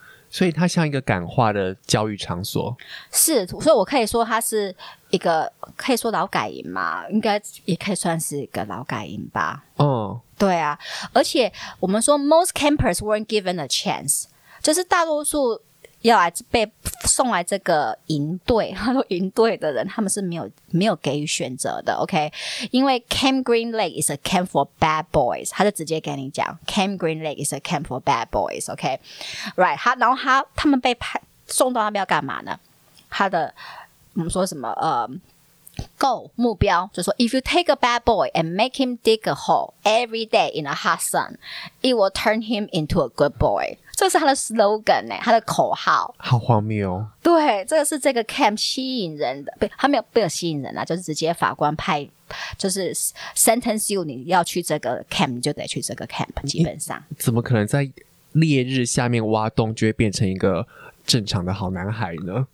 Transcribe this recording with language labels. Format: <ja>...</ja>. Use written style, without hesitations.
<zh>所以它像一个感化的教育场所。是，所以我可以说它是一个可以说劳改营嘛，应该也可以算是一个劳改营吧。对啊，而且我们说</zh> <en>most campers weren't given a chance，</en> <zh>就是大多数要来被送来这个营队，他说营队的人他们是没有给予选择的 OK， 因为</zh> <en>Camp Green Lake is a camp for bad boys，</en> <zh>他就直接跟你讲</zh> <en>Camp Green Lake is a camp for bad boys</en> <zh>OK right， 他然后他们被派送到那边要干嘛呢，他的我们说什么</zh> <en>goal</en> <zh>目标就是说</zh> <en>If you take a bad boy and make him dig a hole every day in a hot sun it will turn him into a good boy，</en> <zh>这是他的 slogan 他的口号，好荒谬哦！对，这个是这个 camp 吸引人的，他没有被吸引人啊，就是直接法官派，就是</zh> <en>sentence you</en> <zh>你要去这个 camp， 你就得去这个 camp， 基本上怎么可能在烈日下面挖洞，就会变成一个正常的好男孩呢？</zh>